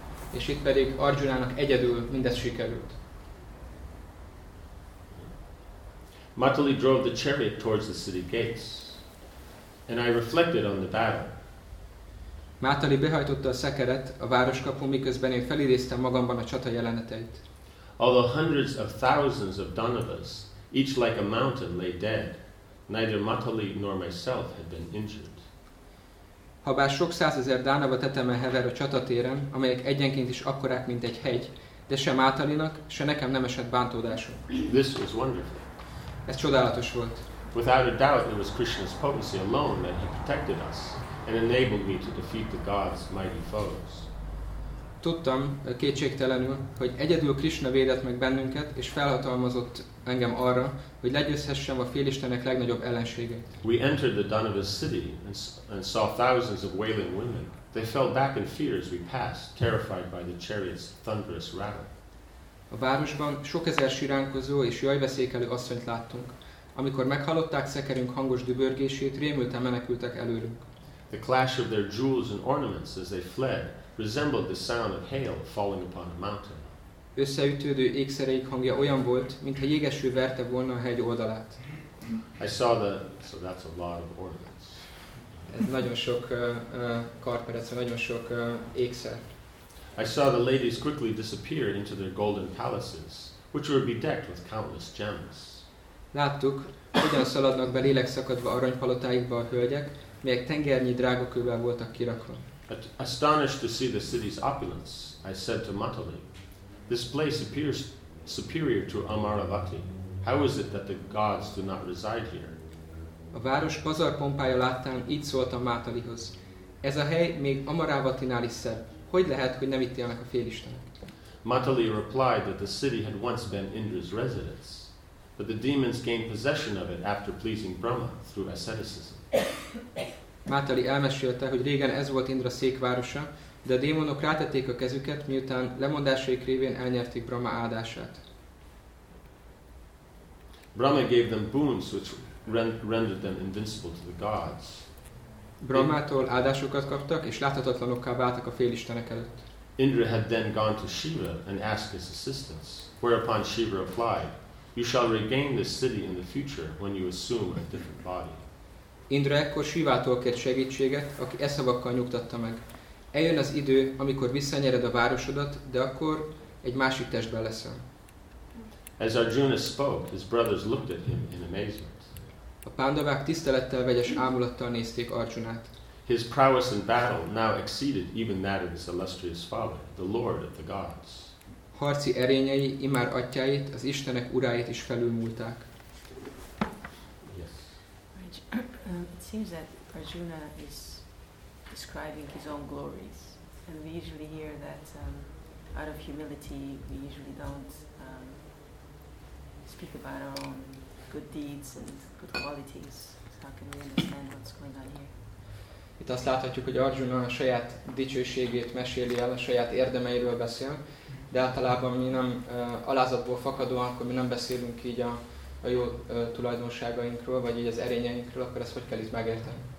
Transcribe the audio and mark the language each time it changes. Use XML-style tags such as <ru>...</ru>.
<hu>És itt pedig Arjunának egyedül mindez sikerült.</hu> <en>Matali drove the chariot towards the city gates, and I reflected on the battle.</en> <hu>Matali behajtotta a szekeret a városkapu, miközben én felidéztem magamban a csata jeleneteit.</hu> <en>Although hundreds of thousands of Donovas, each like a mountain, lay dead, neither Matali nor myself had been injured.</en> <hu>Habár sok százezer Dánava tetemen hever a csatatéren, amelyek egyenként is akkorák, mint egy hegy, de sem Matalinak, se nekem nem esett bántódásom.</hu> <en>This was wonderful.</en> <hu>Ez csodálatos volt.</hu> <en>Without a doubt, it was Krishna's potency alone that had protected us and enabled me to defeat the gods' mighty foes.</en> <hu>tudtam kétségtelenül, hogy egyedül Krishna védett meg bennünket, és felhatalmazott engem arra, hogy legyőzhessem a félistenek legnagyobb ellenségeit.</hu> <en>We entered the Danavas city and saw thousands of wailing women. They fell back in fear as we passed, terrified by the chariot's thunderous rattle.</en> <hu>A városban sok ezer siránkozó és jajveszékelő asszonyt láttunk. Amikor meghallották szekerünk hangos dübörgését, rémülten menekültek előlünk.</hu> <en>The clash of their jewels and ornaments as they fled resembled the sound of hail falling upon a mountain.</en> <hu>Összeütődő ékszereik hangja olyan volt, mintha jégeső verte volna a hegy oldalát.</hu> <en>I saw the, so that's a lot of ornaments.</en> <hu>Ez nagyon sok karperec, nagyon sok ékszer.</hu> <en>I saw the ladies quickly disappear into their golden palaces, which were bedecked with countless gems.</en> <hu>Láttuk, hogyan szaladnak be lélekszakadva aranypalotáikba a hölgyek, melyek tengernyi drágakővel voltak kirakva.</hu> <en>Astonished to see the city's opulence, I said to Matali, "This place appears superior to Amaravati. How is it that the gods do not reside here?"</en> <hu>A város pazar pompája láttán így szóltam Matalihoz, "Ez a hely még Amaravatinál is szebb. Hogy lehet, hogy nem itt élnek a félistenek?"</hu> <en>Matali replied that the city had once been Indra's residence, but the demons gained possession of it after pleasing Brahma through asceticism.</en> <hu>Matali elmesélte, hogy régen ez volt Indra székvárosa, de a démonok rátették a kezüket, miután lemondásaik révén elnyerték Brahma áldását.</hu> <en>Brahma gave them boons which rendered them invincible to the gods.</en> <hu>Brahmától áldásokat kaptak, és láthatatlanokká váltak a félistenek előtt.</hu> <en>Indra had then gone to Shiva and asked his assistance, whereupon Shiva replied, "You shall regain this city in the future when you assume a different body."</en> <hu>Indra ekkor Shivától kért segítséget, aki e szavakkal nyugtatta meg. Eljön az idő, amikor visszanyered a városodat, de akkor egy másik testben leszel.</hu> <en>As Arjuna spoke, his brothers looked at him in amazement.</en> <hu>A pándavák tisztelettel vegyes ámulattal nézték Arjunát.</hu> <en>His prowess in battle now exceeded even that of his illustrious father, the lord of the gods.</en> <hu>Harci erényei imár atyáit, az istenek uráit is felülmúlták.</hu> <en>Yes. It seems that Arjuna is describing his own glories, and we usually hear that out of humility we usually don't speak about our own good deeds and good qualities. So how can we understand what's going on here?</en> <hu>Itt azt láthatjuk, hogy Arjuna a saját dicsőségét meséli el, a saját érdemeiről beszél, de általában mi nem alázatból fakadóan, akkor mi nem beszélünk így a jó tulajdonságainkról, vagy így az erényeinkről, akkor ezt hogy kell így megérteni?</hu>